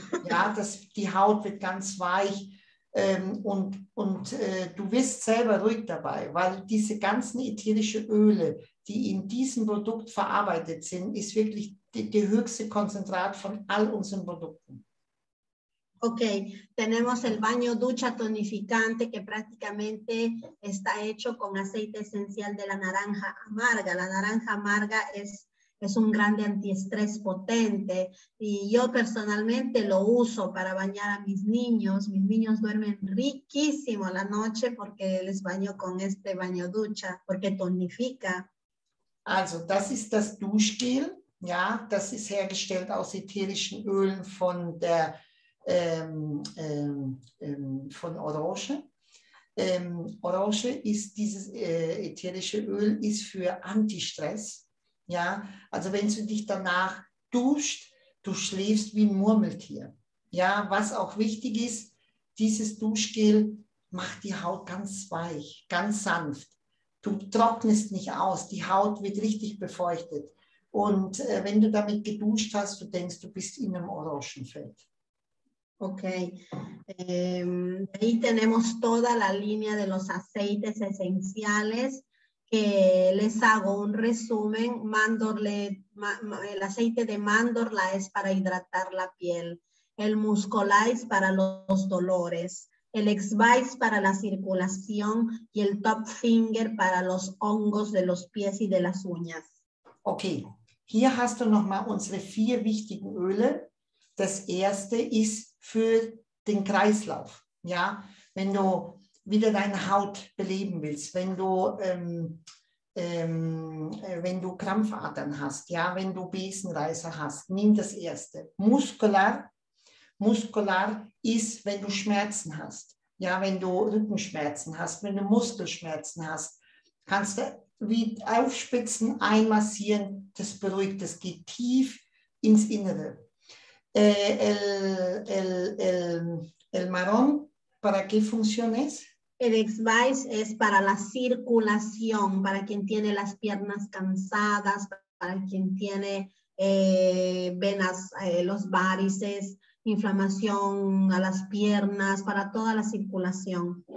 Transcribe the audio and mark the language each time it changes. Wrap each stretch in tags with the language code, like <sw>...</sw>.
<de>Ja, die Haut wird ganz weich. Du wirst selber ruhig dabei, weil diese ganzen ätherischen Öle, die in diesem Produkt verarbeitet sind, ist wirklich die höchste Konzentrat von all unseren Produkten.</de> <es>Okay, tenemos el baño ducha tonificante que prácticamente está hecho con aceite esencial de la naranja amarga. La naranja amarga es un grande antiestrés potente y yo personalmente lo uso para bañar a mis niños. Mis niños duermen riquísimo la noche porque les baño con este baño ducha, porque tonifica.</es> <de>Also, das ist das Duschgel, ja, das ist hergestellt aus ätherischen Ölen von der von Orange. Orange ist dieses ätherische Öl, ist für Antistress. Ja, also wenn du dich danach duscht, du schläfst wie ein Murmeltier. Ja, was auch wichtig ist, dieses Duschgel macht die Haut ganz weich, ganz sanft. Du trocknest nicht aus, die Haut wird richtig befeuchtet. Und wenn du damit geduscht hast, du denkst, du bist in einem Orangenfeld.</de> <es>Okay, ahí tenemos toda la línea de los aceites esenciales. Les hago un resumen. El aceite de mandorla es para hidratar la piel. El muscolice para los dolores. El exvice para la circulación. Y el top finger para los hongos de los pies y de las uñas.</es> <de>Okay, hier hast du nochmal unsere vier wichtigen Öle. Das erste ist für den Kreislauf. Ja, wenn du wieder deine Haut beleben willst, wenn du, wenn du Krampfadern hast, ja, wenn du Besenreißer hast, nimm das erste. Muskular ist, wenn du Schmerzen hast. Ja, wenn du Rückenschmerzen hast, wenn du Muskelschmerzen hast, kannst du wie aufspitzen, einmassieren, das beruhigt, das geht tief ins Innere.</de> <es>El marrón, ¿para qué función es? El exvice es para la circulación, para quien tiene las piernas cansadas, para quien tiene venas, los varices, inflamación a las piernas, para toda la circulación.</es>